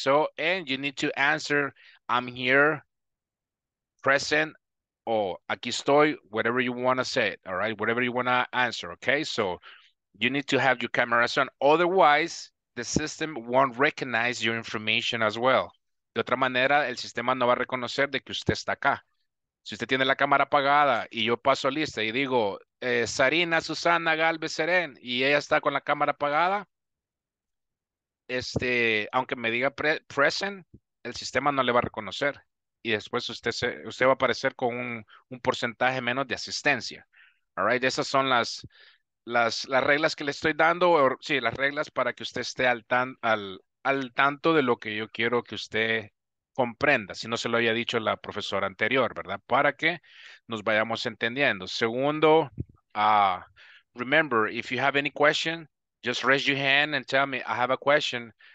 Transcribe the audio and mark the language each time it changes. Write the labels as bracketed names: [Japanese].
[English] So, and you need to answer, I'm here, present, or [Spanish] aquí estoy, [English] whatever you want to say, all right? Whatever you want to answer, okay? So you need to have your cameras on. Otherwise, the system won't recognize your information as well. [Spanish] De otra manera, el sistema no va a reconocer de que usted está acá. Si usted tiene la cámara apagada y yo paso lista y digo, Sarina, Susana, Galvez, Serén, y ella está con la cámara apagada, aunque me diga present, el sistema no le va a reconocer. Y después usted va a aparecer con un porcentaje menos de asistencia. [English] All right, [Spanish] esas son las reglas que le estoy dando, las reglas para que usted esté al tanto de lo que yo quiero que usted comprenda, si no se lo había dicho la profesora anterior, ¿verdad? Para que nos vayamos entendiendo. Segundo, [English] remember, if you have any question, just raise your hand and tell me, I have a question.